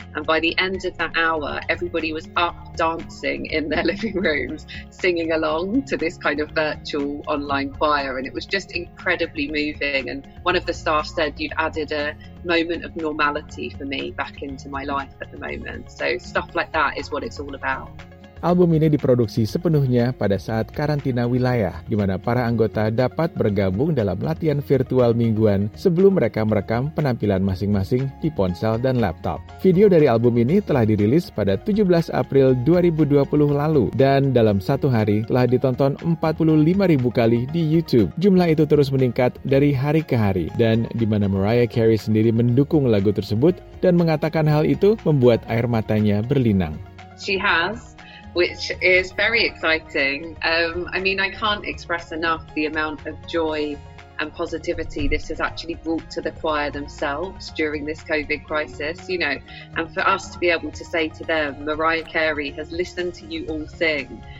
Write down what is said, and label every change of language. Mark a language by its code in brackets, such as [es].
[en] And by the end of that hour, everybody was up dancing in their living rooms, singing along to this kind of virtual online choir. And it was just incredibly moving. And one of the staff said, "You've added a moment of normality for me back into my life at the moment." So stuff like that is what it's all about. [id] Album ini diproduksi sepenuhnya pada saat karantina wilayah, di mana para anggota dapat bergabung dalam latihan virtual mingguan sebelum mereka merekam penampilan masing-masing di ponsel dan laptop. Video dari album ini telah dirilis pada 17 April 2020 lalu, dan dalam satu hari telah ditonton 45 ribu kali di YouTube. Jumlah itu terus meningkat dari hari ke hari, dan di mana Mariah Carey sendiri mendukung lagu tersebut dan mengatakan hal itu membuat air matanya berlinang. [en] She has. Which is very exciting. I can't express enough the amount of joy and positivity this has actually brought to the choir themselves during this COVID crisis, you know. And for us to be able to say to them, Mariah Carey has listened to you all sing.